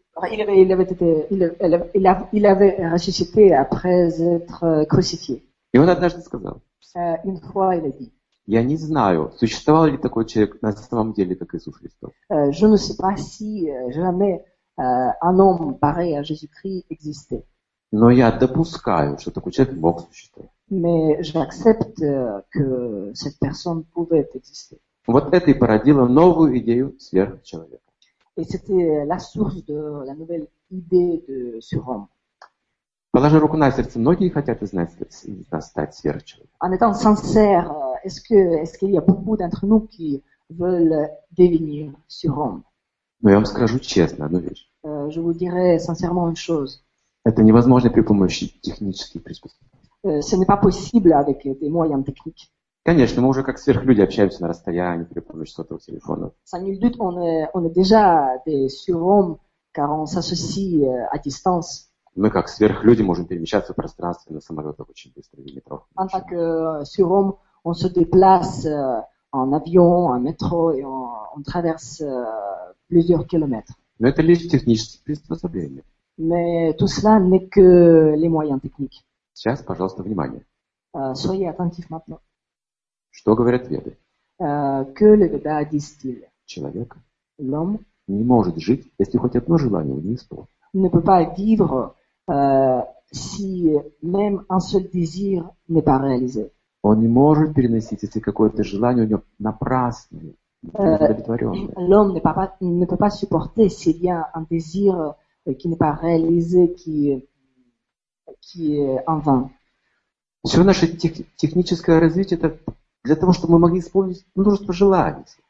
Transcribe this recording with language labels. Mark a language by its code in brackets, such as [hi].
[fr] Il avait ressuscité après être crucifié. [ru] И он однажды сказал. [fr] Une fois il a dit. [ru] Я не знаю, существовал ли такой человек на самом деле, как Иисус Христос. [fr] Je ne sais pas si jamais un homme pareil à Jésus-Christ existait. [ru] Но я допускаю, что такой человек мог существовать. [fr] Mais j'accepte que cette personne pouvait exister. [ru] Вот это и породило новую идею сверхчеловека. [fr] Et c'était la source de la nouvelle idée de surhomme. [ru] Положи руку на сердце, многие хотят стать сверхчеловеком. [fr] En étant sincère, est-ce qu'il y a beaucoup d'entre nous qui veulent devenir surhomme? [ru] Но я вам скажу честно одну вещь. [fr] Je vous dirai sincèrement une chose. [ru] Это невозможно при помощи технических приспособлений. [fr] Ce n'est pas possible avec des moyens techniques. [ru] Конечно, мы уже как сверхлюди общаемся на расстоянии при помощи сотовых телефонов. [fr] Sans nul doute, on est déjà des surhommes, car on s'associe à distance. [ru] Мы как сверхлюди можем перемещаться в пространстве на самолетах очень быстро, в метро. [fr] En tant que surhomme, on se déplace en avion, en métro, et on traverse plusieurs kilomètres. [ru] Но это лишь технические приспособления. [fr] Mais tout cela n'est que les moyens techniques. [ru] Сейчас, пожалуйста, внимание. [fr] Soyez attentif maintenant. [ru] Что говорят веды? [fr] Que les Védas disent-ils? [ru] Человек [fr] l'homme [ru] не может жить, если хоть одно желание у него исполнено. [fr] Ne peut pas vivre si même un seul désir n'est pas réalisé. [ru] Он не может переносить, если какое-то желание у него напрасно, неудовлетворенное. [fr] L'homme ne peut pas supporter s'il y a un désir qui n'est pas réalisé, qui est en vain. [ru] Все наше техническое развитие это для того, чтобы мы могли исполнить множество желаний.